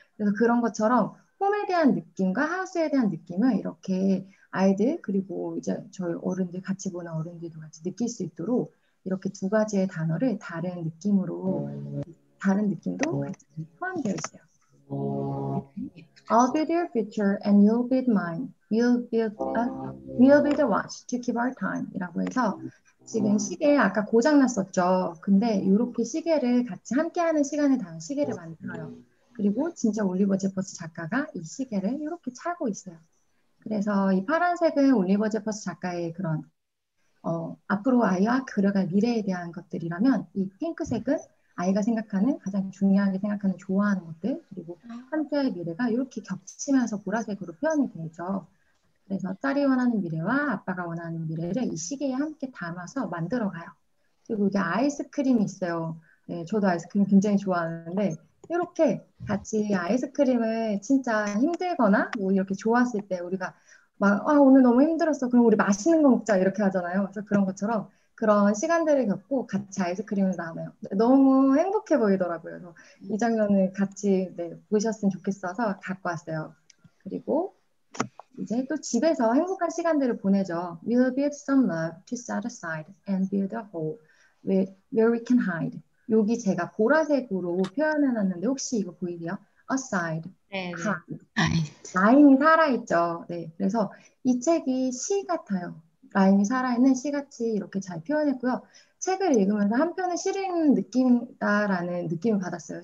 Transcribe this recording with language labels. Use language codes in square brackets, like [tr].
[ko] 그래서 그런 것처럼 홈에 대한 느낌과 하우스에 대한 느낌을 이렇게 아이들 그리고 이제 저희 어른들 같이 보는 어른들도 같이 느낄 수 있도록 이렇게 두 가지의 단어를 다른 느낌으로 다른 느낌도 같이 포함되어 있어요. [en] I'll build your future and you'll build mine. We'll build a watch to keep our time. [ko] 이라고 해서 지금 시계 아까 고장 났었죠. 근데 이렇게 시계를 같이 함께하는 시간을 다는 시계를 만들어요. 그리고 진짜 올리버 제퍼스 작가가 이 시계를 이렇게 차고 있어요. 그래서 이 파란색은 올리버 제퍼스 작가의 그런 앞으로 아이와 그려갈 미래에 대한 것들이라면 이 핑크색은 아이가 생각하는 가장 중요하게 생각하는 좋아하는 것들 그리고 함께할 미래가 이렇게 겹치면서 보라색으로 표현이 되죠. 그래서 딸이 원하는 미래와 아빠가 원하는 미래를 이 시계에 함께 담아서 만들어 가요. 그리고 이게 아이스크림이 있어요. 네, 저도 아이스크림 굉장히 좋아하는데 이렇게 같이 아이스크림을 진짜 힘들거나 뭐 이렇게 좋았을 때 우리가 막 아, 오늘 너무 힘들었어. 그럼 우리 맛있는 거 먹자 이렇게 하잖아요. 그래서 그런 것처럼 그런 시간들을 겪고 같이 아이스크림을 나눠요. 너무 행복해 보이더라고요. 그래서 이 장면을 같이 네, 보셨으면 좋겠어서 갖고 왔어요. 그리고 이제 또 집에서 행복한 시간들을 보내죠. [en] We'll build some love to set aside and build a hole where we can hide. [ko] 여기 제가 보라색으로 표현해 놨는데 혹시 이거 보이세요? [en] Aside, [ko] 네. 라임이 살아있죠. 네, 그래서 이 책이 시 같아요. 라임이 살아있는 시 같이 이렇게 잘 표현했고요. 책을 읽으면서 한 편의 시를 읽는 느낌이다라는 느낌을 받았어요.